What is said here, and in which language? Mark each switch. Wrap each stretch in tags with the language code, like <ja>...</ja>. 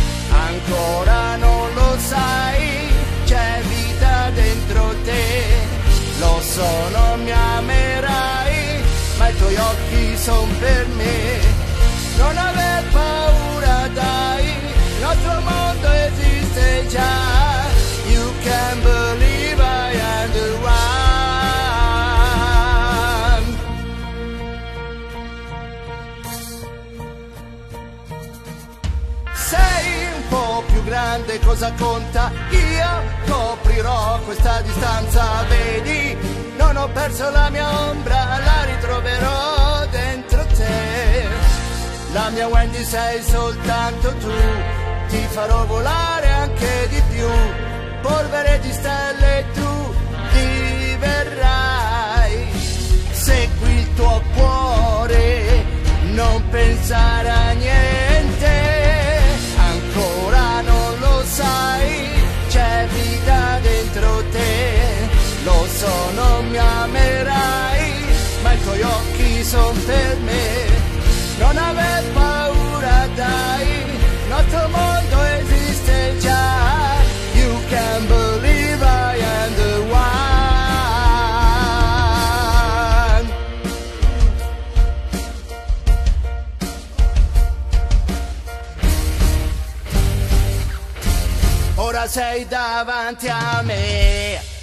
<it>Ancora non lo sai, c'è vita dentro te, lo so non mi amerai, ma i tuoi occhi sono per me. Non aver paura dai, il nostro mondo esiste già.</it> <en>You can believe I am the one.</en> <it>Sei un po' più grande, cosa conta? Io coprirò questa distanza, vedi? Non ho perso la mia ombra, la ritroverò dentro te. La mia Wendy sei soltanto tu, ti farò volare anche di più, polvere di stelle tu diverrai. Segui il tuo cuore, non pensare a niente, ancora non lo sai, c'è vita dentro te. Lo so non mi amerai, ma i tuoi occhi son per me. Non aver paura dai, il nostro mondo esiste già.</it> <en>You can believe I am the one.</en> <it>Ora sei davanti a me.</it>